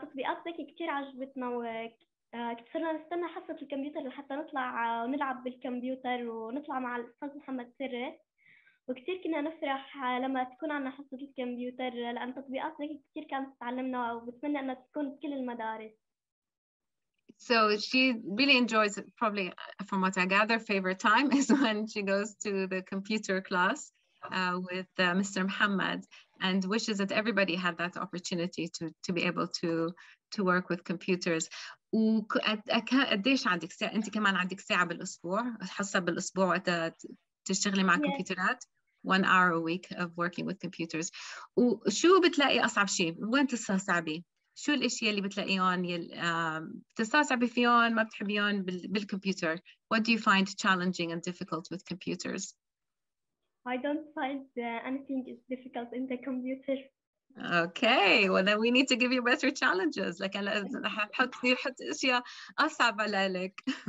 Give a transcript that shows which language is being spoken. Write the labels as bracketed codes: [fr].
[en] Because applications are very popular. [ar] كثيرنا نستنى حصة الكمبيوتر لحتى نطلع ونلعب بالكمبيوتر ونطلع مع الأستاذ محمد سري, وكثير كنا نفرح لما تكون عنا حصة الكمبيوتر لأن تطبيقات ذكي كثير كانت تتعلمنا وبتمنى أنها تكون بكل المدارس. [en] So she really enjoys it, probably from what I gather favorite time is when she goes to the computer class with Mr. Muhammad, and wishes that everybody had that opportunity to be able to work with computers. [ar] وقديش عندك ساعة؟ أنت كمان عندك ساعة بالأسبوع حصة بالأسبوع تشتغلي مع الكمبيوترات. [en] Yes. 1 hour a week of working with computers. [ar] وشو بتلاقي أصعب شيء؟ وين تستصعبي؟ شو الأشياء اللي بتلاقيهم تستصعبي فيهم ما بتحبيهم بالكمبيوتر؟ [en] What do you find challenging and difficult with computers? I don't find anything is difficult in the computer. Okay, well then we need to give you better challenges. Like I put [ar] أشياء أصعب عليك.